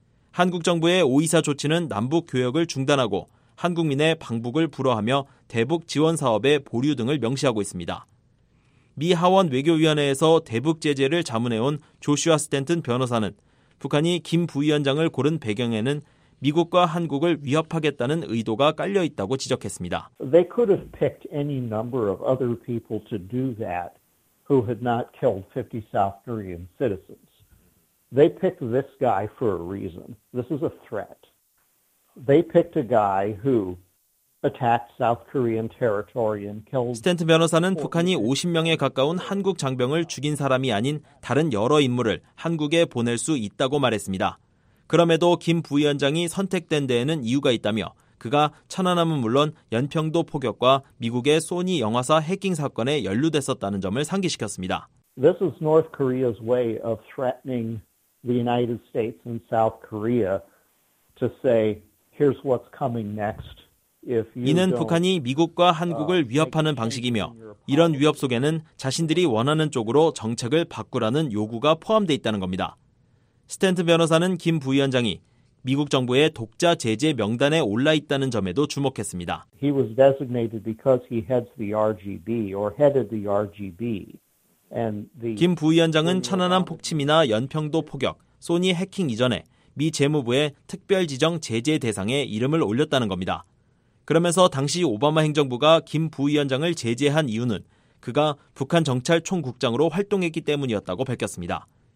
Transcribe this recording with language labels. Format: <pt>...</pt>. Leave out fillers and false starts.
<ko>한국 정부의 524 조치는 남북 교역을 중단하고 한국민의 방북을 불허하며 대북 지원 사업의 보류 등을 명시하고 있습니다. 미 하원 외교위원회에서 대북 제재를 자문해온 조슈아 스탠튼 변호사는 북한이 김 부위원장을 고른 배경에는 미국과 한국을 위협하겠다는 의도가 깔려 있다고 지적했습니다.</ko> <en>They could have picked any number of other people to do that who had not killed 50 South Korean citizens. They picked this guy for a reason. This is a threat. They picked a guy who attacked South Korean territory and killed.</en> <ko>스탠튼 변호사는 북한이 50명에 가까운 한국 장병을 죽인 사람이 아닌 다른 여러 인물을 한국에 보낼 수 있다고 말했습니다. 그럼에도 김 부위원장이 선택된 데에는 이유가 있다며 그가 천안함은 물론 연평도 포격과 미국의 소니 영화사 해킹 사건에 연루됐었다는 점을 상기시켰습니다.</ko> <en>This is North Korea's way of threatening the United States and South Korea to say, here's what's coming next.</en> <ko>이는 북한이 미국과 한국을 위협하는 방식이며 이런 위협 속에는 자신들이 원하는 쪽으로 정책을 바꾸라는 요구가 포함되어 있다는 겁니다. 스탠튼 변호사는 김 부위원장이 미국 정부의 독자 제재 명단에 올라 있다는 점에도 주목했습니다.</ko> <en>He was designated because he heads the RGB or headed the RGB.</en> <ko>김 부위원장은 천안함 폭침이나 연평도 포격, 소니 해킹 이전에 미 재무부의 특별 지정 제재 대상에 이름을 올렸다는 겁니다. 그러면서 당시 오바마 행정부가 김 부위원장을 제재한 이유는 그가 북한 정찰 총국장으로 활동했기 때문이었다고 밝혔습니다.</ko>